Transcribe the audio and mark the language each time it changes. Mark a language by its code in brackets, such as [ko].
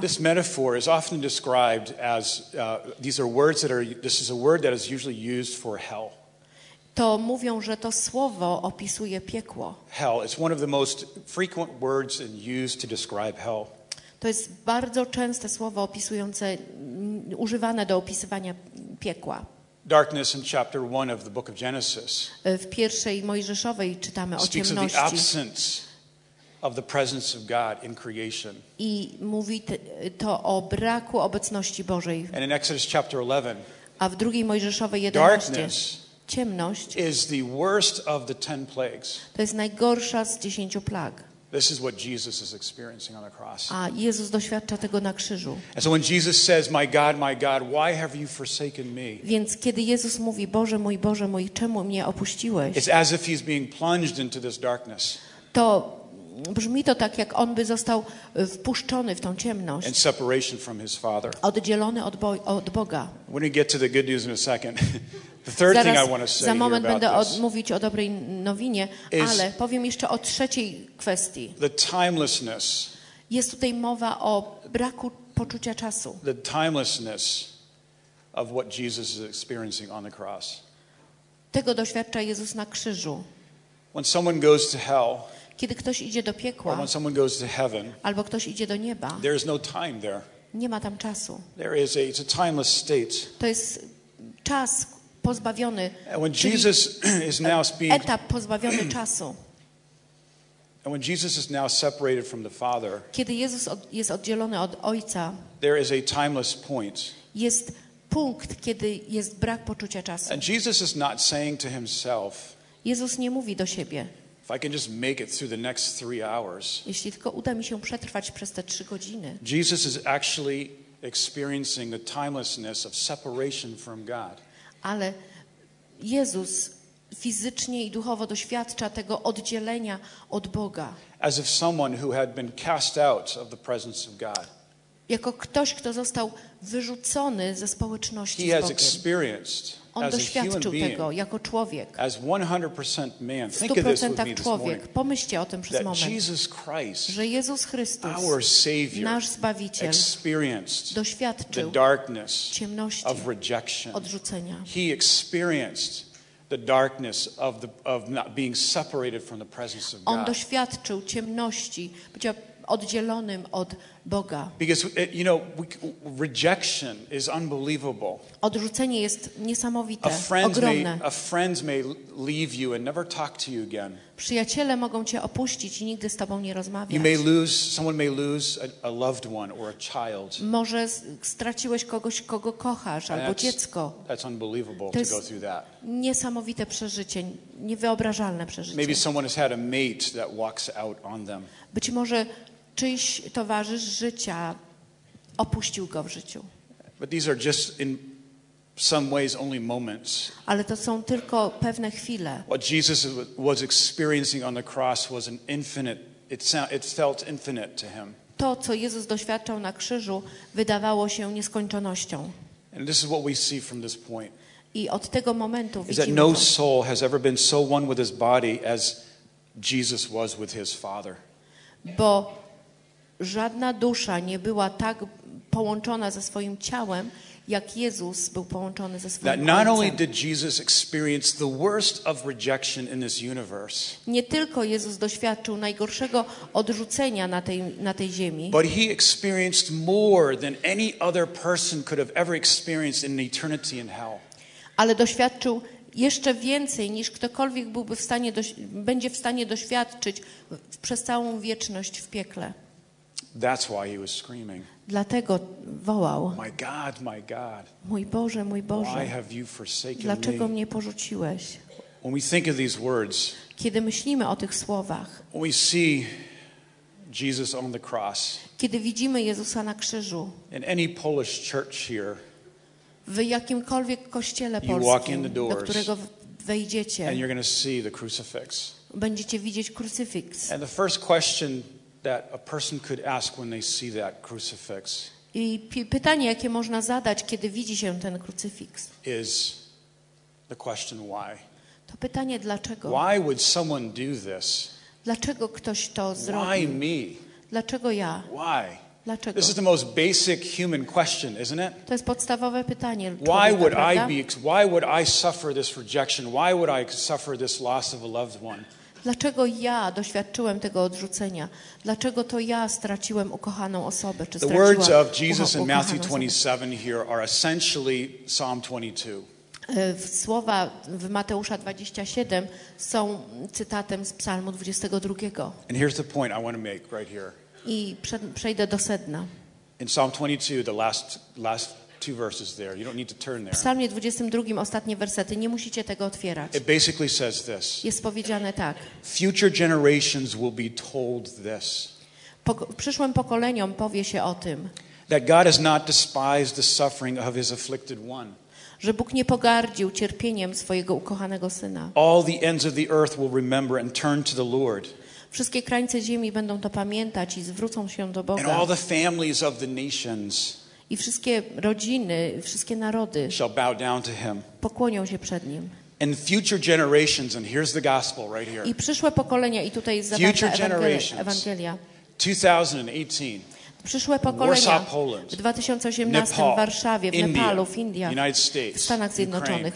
[en] This metaphor is often described as these are words that are this is a word that is usually used for hell. [pl] To mówią, że to słowo opisuje piekło. [en] Hell is one of the most frequent words used to describe hell. [pl] To jest bardzo częste słowo opisujące używane do opisywania piekła. [en] Darkness in chapter 1 of the book of Genesis. [pl] W pierwszej Mojżeszowej czytamy o ciemności. [en] Speaks of the absence of the presence of God in creation. [pl] I mówi to o braku obecności Bożej. [en] And in Exodus chapter 11. [pl] A w drugiej Mojżeszowej 11. Ciemność [en] is the worst of the 10 plagues. [pl] To jest najgorsza z 10 plag. [en] This is what Jesus is experiencing on the cross. [pl] A Jezus doświadcza tego na krzyżu. [en] And so when Jesus says, my God, why have you forsaken me? [pl] Więc kiedy Jezus mówi, Boże mój, czemu mnie opuściłeś? [en] It's as if he's being plunged into this darkness. [pl] To brzmi to tak, jak on by został wpuszczony w tą ciemność. [en] And separation from his father. [pl] Oddzielony od Boga. [en] When we get to the good news in a second. The third [pl] zaraz, [en] thing I want to say [pl] za moment [en] here [pl] będę [en] about this [pl] mówić o dobrej nowinie, ale powiem jeszcze o trzeciej kwestii. [en] The timelessness. [pl] Jest tutaj mowa o braku poczucia czasu. [en] The timelessness of what Jesus is experiencing on the cross. [pl] Tego doświadcza Jezus na krzyżu. [en] When someone goes to hell, [pl] kiedy ktoś idzie do piekła, [en] or when someone goes to heaven, [pl] albo ktoś idzie do nieba, [en] there is no time there. [pl] Nie ma tam czasu. [en] There is a, it's a timeless state. [pl] To jest czas pozbawiony, [en] when Jesus is now being, [pl] etap pozbawiony czasu. [en] And when Jesus is now separated from the Father, [pl] kiedy Jezus jest oddzielony od Ojca, [en] there is a timeless point. [pl] Jest punkt, kiedy jest brak poczucia czasu. [en] And Jesus is not saying to himself, [pl] Jezus nie mówi do siebie, [en] if I can just make it through the next three hours, [pl] jeśli tylko uda mi się przetrwać przez te trzy godziny. [en] Jesus is actually experiencing the timelessness of separation from God. [pl] Ale Jezus fizycznie i duchowo doświadcza tego oddzielenia od Boga. [en] As if someone who had been cast out of the presence of God. [pl] Jako ktoś, kto został wyrzucony ze społeczności z Bogiem. On doświadczył tego jako człowiek. [en] As 100% man. Think of this with me this morning. [pl] Pomyślcie o tym przez moment. [en] Jesus Christ, [pl] że Jezus Chrystus, [en] our Savior, [pl] nasz Zbawiciel, [en] experienced [pl] doświadczył [en] the darkness [pl] ciemności [en] of rejection. [pl] Odrzucenia. [en] He experienced the darkness of the of not being separated from the presence of God. [pl] On doświadczył ciemności bycia oddzielonym od Boga. [en] Because you know, rejection is unbelievable. [pl] Odrzucenie jest niesamowite, a ogromne. [en] A friend may leave you and never talk to you again. [pl] Przyjaciele mogą cię opuścić i nigdy z tobą nie rozmawiać. [en] You may lose someone may lose a loved one or a child. [pl] Może straciłeś kogoś, kogo kochasz, albo dziecko. [en] That's unbelievable to go through that. [pl] Niesamowite przeżycie, niewyobrażalne przeżycie. [en] Maybe someone has had a mate that walks out on them. [pl] Być może czyjś towarzysz życia opuścił go w życiu. [en] But these are just in some ways only moments. [pl] Ale to są tylko pewne chwile. [en] What Jesus was experiencing on the cross was an infinite. It felt infinite to him. [pl] To, co Jezus doświadczał na krzyżu, wydawało się nieskończonością. [en] And this is what we see from this point. [pl] I od tego momentu widzimy, [en] that no soul has ever been so one with his body as Jesus was with his Father. [pl] Bo żadna dusza nie była tak połączona ze swoim ciałem, jak Jezus był połączony ze swoim [en] that [pl] Ojcem. [en] Not only did Jesus experience the worst of rejection in this universe. [pl] Nie tylko Jezus doświadczył najgorszego odrzucenia na tej ziemi. [en] But he experienced more than any other person could have ever experienced in eternity in hell. [pl] Ale doświadczył jeszcze więcej niż ktokolwiek byłby w stanie będzie w stanie doświadczyć przez całą wieczność w piekle. [en] That's why he was screaming. [pl] Dlatego wołał. [en] My God, my God. [pl] Mój Boże, [en] why have you forsaken [pl] dlaczego [en] me? [pl] Mnie porzuciłeś? [en] When we think of these words, [pl] kiedy myślimy o tych słowach, [en] when we see Jesus on the cross, [pl] kiedy widzimy Jezusa na krzyżu, [en] in any Polish church here, [pl] w jakimkolwiek kościele polskim, [en] you walk in the doors, [pl] do którego wejdziecie, [en] and you're going to see the crucifix. [pl] Będziecie widzieć krucyfiks. [en] And the first question that a person could ask when they see that crucifix. [pl] I pytanie, jakie można zadać, kiedy widzi się ten krucyfiks? [en] Is the question why? [pl] To pytanie dlaczego? [en] Why would someone do this? [pl] Dlaczego ktoś to zrobił? [en] Why me? [pl] Dlaczego ja? [en] Why? [pl] Dlaczego? [en] This is the most basic human question, isn't it? [pl] To jest podstawowe pytanie. [en] Why would I be? Why would I suffer this rejection? Why would I suffer this loss of a loved one? [pl] Dlaczego ja doświadczyłem tego odrzucenia? Dlaczego to ja straciłem ukochaną osobę? Czy [en] the words of Jesus in Matthew 27 here are essentially Psalm 22. [pl] Słowa w Mateusza 27 są cytatem z Psalmu 22. [en] And here's the point I want to make right here. [pl] I przejdę do sedna. [en] In Psalm 22, the last two verses there. You don't need to turn there. [pl] W Psalmie 22 ostatnie wersety, nie musicie tego otwierać. [en] It basically says this. [pl] Jest powiedziane tak. [en] Future generations will be told this. [pl] Przyszłym pokoleniom powie się o tym. [en] That God has not despised the suffering of his afflicted one. [pl] Że Bóg nie pogardził cierpieniem swojego ukochanego syna. [en] All the ends of the earth will remember and turn to the Lord. [pl] Wszystkie krańce ziemi będą to pamiętać i zwrócą się do Boga. [en] And all the families of the nations. [pl] I wszystkie rodziny, wszystkie narody [en] shall bow down to him. [pl] Pokłonią się przed nim. [en] And future generations, and here's the gospel right here. [pl] I przyszłe pokolenia, i tutaj jest zawarta Ewangelia. [en] 2018. [pl] Przyszłe pokolenia. [en] Warsaw, Poland, [pl] w 2018 [en] Nepal, [pl] w Warszawie, w Nepalu, w Indiach, [en] United States, [pl] w Stanach Zjednoczonych,